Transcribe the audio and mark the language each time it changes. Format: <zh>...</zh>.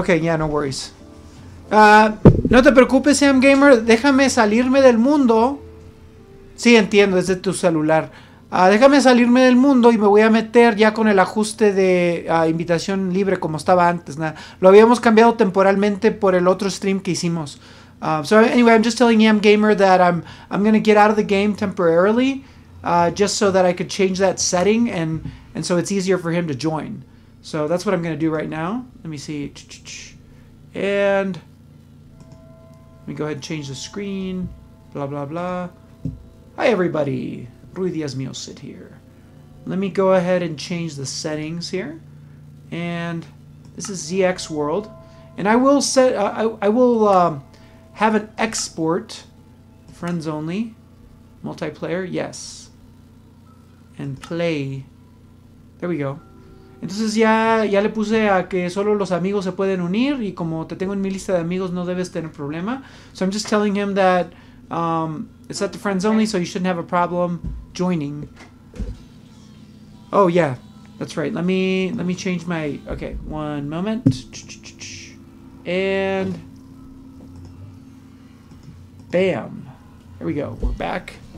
<en>Okay, yeah, no worries.</en> <es>No te preocupes,</es> <en>Sam Gamer.</en> <es>Déjame salirme del mundo. Sí, entiendo, es de tu celular. Déjame salirme del mundo y me voy a meter ya con el ajuste de invitación libre como estaba antes. Lo habíamos cambiado temporalmente por el otro stream que hicimos.</es> <en>So anyway, I'm just telling Yam Gamer that I'm going to get out of the game temporarily, just so that I could change that setting, and so it's easier for him to join. So that's what I'm going to do right now. Let me see. And let me go ahead and change the screen. Blah, blah, blah. Hi, everybody. Rui Diaz Mio sit here. Let me go ahead and change the settings here. And this is ZX World. And I will set... have an export, friends only, multiplayer, yes. And play, there we go.</en> <es>Entonces ya le puse a que solo los amigos se pueden unir y como te tengo en mi lista de amigos no debes tener problema.</es> <en>So I'm just telling him that it's set to friends only, so you shouldn't have a problem joining. Oh yeah, that's right. Let me change my, okay, one moment. And bam. Here we go. We're back.</en>